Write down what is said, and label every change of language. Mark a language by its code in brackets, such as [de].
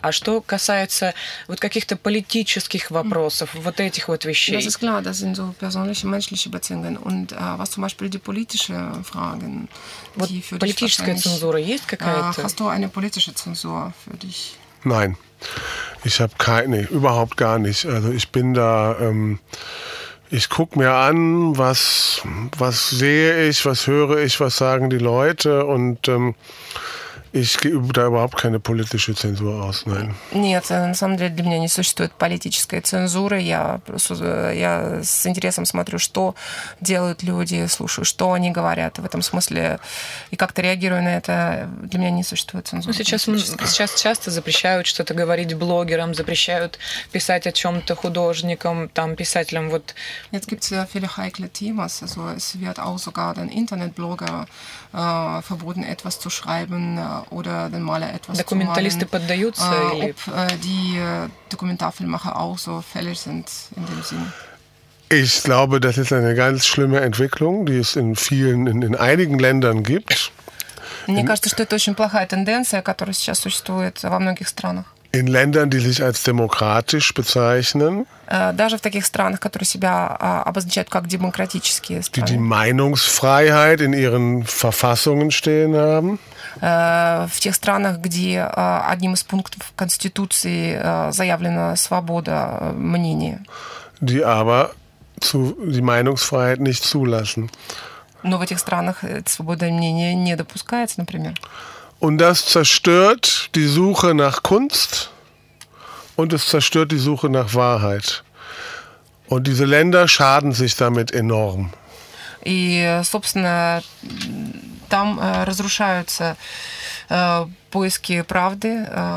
[ru] А что касается вот каких-то политических вопросов, вот этих вот вещей? [de] Das ist klar, das sind so persönliche, menschliche Beziehungen. Und was zum Beispiel die politischen Fragen, вот die für dich wahrscheinlich... Hast du eine politische Zensur für dich? Nein, ich habe keine, überhaupt gar nicht. Also ich bin da, ich gucke mir an, was sehe ich, was höre ich, was sagen die Leute und... Ich gebe da überhaupt keine politische Zensur aus, nein. [ru] Нет, на самом деле для меня не существует политической цензуры. Я с интересом смотрю, что делают люди, слушаю, что они говорят в этом смысле и как-то реагирую на это. Для меня не существует цензуры. Ну, сейчас часто запрещают что-то говорить блогерам, запрещают писать о чем-то художникам, там писателям вот. [de] Jetzt gibt's ja viele heikle Themas. Also es wird auch sogar den Internetblogger verboten, etwas zu schreiben. Oder den Maler etwas zu malen, [ru] поддаются [de] ob die Dokumentarfilmmacher auch so fällig sind in dem Sinne. Ich glaube, das ist eine ganz schlimme Entwicklung, die es in vielen, in einigen Ländern gibt. [ru] Мне кажется, что это очень плохая тенденция, которая сейчас существует во многих странах. [de] In Ländern, die sich als demokratisch bezeichnen. [ru] Даже в таких странах, которые себя обозначают как демократические страны. [de] Die Meinungsfreiheit in ihren Verfassungen stehen haben. [ru] В тех странах, где одним из пунктов Конституции заявлена свобода мнения. [de] Die aber die Meinungsfreiheit nicht zulassen. [ru] Но в этих странах свобода мнения не допускается, например. [de] Und das zerstört die Suche nach Kunst und es zerstört die Suche nach Wahrheit. Und diese Länder schaden sich damit enorm. [ru] И, собственно, там разрушаются поиски правды.